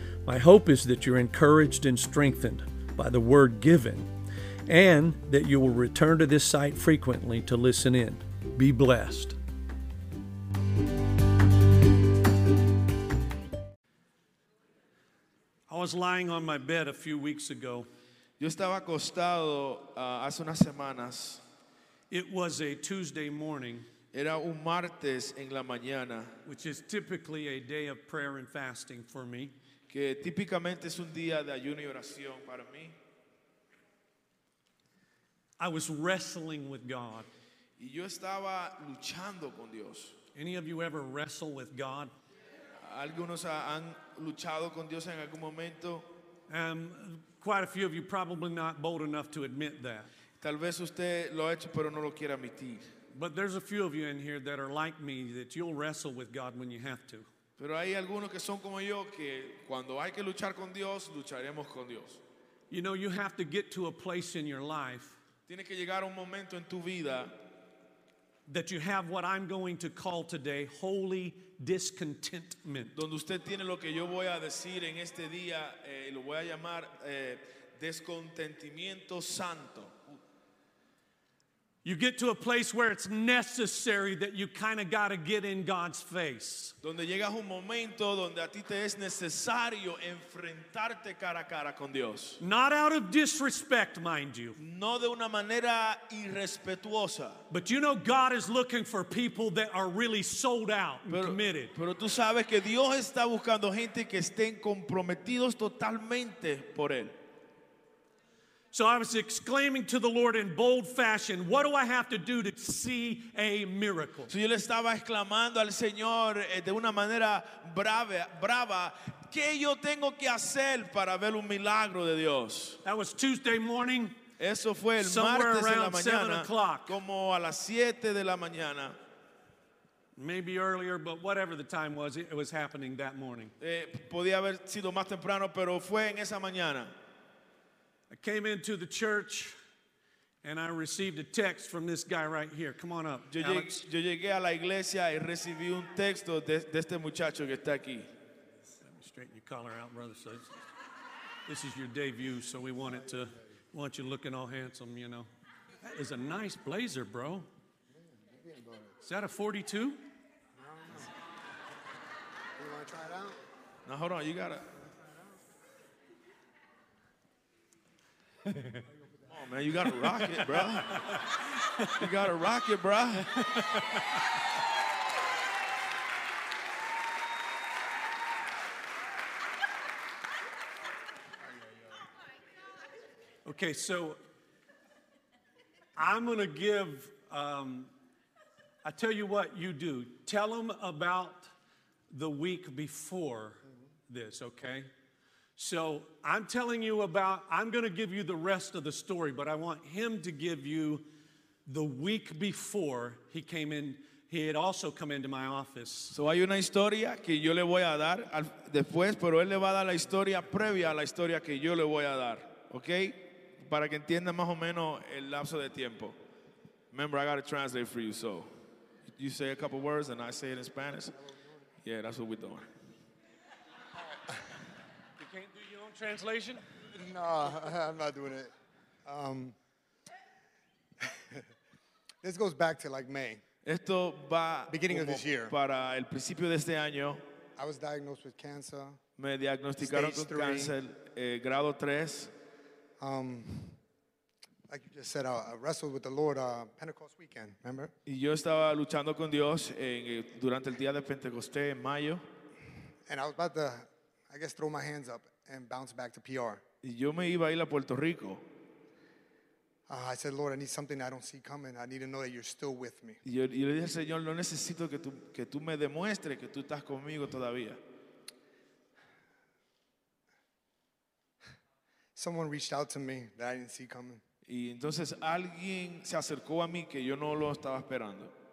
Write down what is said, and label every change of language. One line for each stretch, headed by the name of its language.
English: My hope is that you're encouraged and strengthened by the word given, and that you will return to this site frequently to listen in. Be blessed. I was lying on my bed a few weeks ago.
Spanish: Yo estaba acostado hace unas semanas.
English: It was a Tuesday morning.
Spanish: Era un martes en la mañana.
English: Which is typically a day of prayer and fasting for me.
Spanish: Que típicamente es un día de ayuno y oración para mí.
English: I was wrestling with God.
Spanish: Y yo estaba luchando con Dios.
English: Any of you ever wrestle with God?
Spanish: Algunos han luchado con Dios en algún momento.
English: Quite a few of you probably not bold enough to admit that.
Spanish: Tal vez usted lo ha hecho, pero no lo quiere admitir.
English: But there's a few of you in here that are like me, that you'll wrestle with God when you have to.
Spanish: Pero hay algunos que son como yo, que cuando hay que luchar con Dios, lucharemos con Dios.
English: You know, you have to get to a place in your life.
Spanish: Tiene que llegar un momento en tu vida.
English: That you have what I'm going to call today holy discontentment.
Spanish: Donde usted tiene lo que yo voy a decir en este día, lo voy a llamar descontentimiento santo.
English: You get to a place where it's necessary that you kind of got to get in God's face.
Spanish: Donde llegas un momento donde a ti te es necesario enfrentarte cara a cara con Dios.
English: Not out of disrespect, mind you.
Spanish: No de una manera irrespetuosa.
English: But you know God is looking for people that are really sold out and committed.
Spanish: Pero tú sabes que Dios está buscando gente que estén comprometidos totalmente por él.
English: So I was exclaiming to the Lord in bold fashion, what do I have to do to see a miracle?
Spanish: So yo le estaba exclamando al Señor de una manera brava, ¿qué yo tengo que hacer para ver un milagro de Dios?
English: That was Tuesday morning.
Spanish: Eso fue el
English: somewhere
Spanish: martes
English: around
Spanish: en la mañana,
English: 7 o'clock.
Spanish: Como a las 7 de la mañana.
English: Maybe earlier, but whatever the time was, it was happening that morning.
Spanish: Podía haber sido más temprano, pero fue en esa mañana.
English: I came into the church and I received a text from this guy right here. Come on up, Alex.
Spanish: Yo llegué a la iglesia y recibí un texto de este muchacho que está aquí.
English: Let me straighten your collar out, brother. So this is your debut, so we want it to want you looking all handsome, you know. That is a nice blazer, bro. Is that a 42? You want to try it out? Now hold on, you got to. Oh man, you gotta rock it, bro. You gotta rock it, bro. Okay, so I'm gonna give. I tell you what, you do. Tell them about the week before this, okay? So I'm telling you about, I'm going to give you the rest of the story, but I want him to give you the week before he came in, he had also come into my office.
Spanish: So hay una historia que yo le voy a dar después, pero él le va a dar la historia previa a la historia que yo le voy a dar, okay? Para que entienda más o menos el lapso de tiempo.
English: Remember, I got to translate for you, so you say a couple words and I say it in Spanish. Yeah, that's what we're doing. Translation? No, I'm not doing it. this goes back to like May.
Spanish: Esto va
English: beginning of this year.
Spanish: Para el principio de este año.
English: I was diagnosed with cancer.
Spanish: Me diagnosticaron con cáncer, grado 3.
English: Like you just said, I wrestled with the Lord Pentecost weekend, remember?
Spanish: Y yo estaba luchando con Dios durante el día de Pentecostés en mayo.
English: And I was about to, I guess, throw my hands up. And bounce back to PR.
Spanish: Yo me iba a ir a Puerto Rico.
English: I said, Lord, I need something I don't see coming. I need to know that you're still with me.
Spanish: Y le dije, Señor, no necesito que tú me demuestres que tú estás conmigo todavía.
English: Someone reached out to me that I didn't see coming.
Spanish: Y entonces alguien se acercó a mí que yo no lo estaba esperando.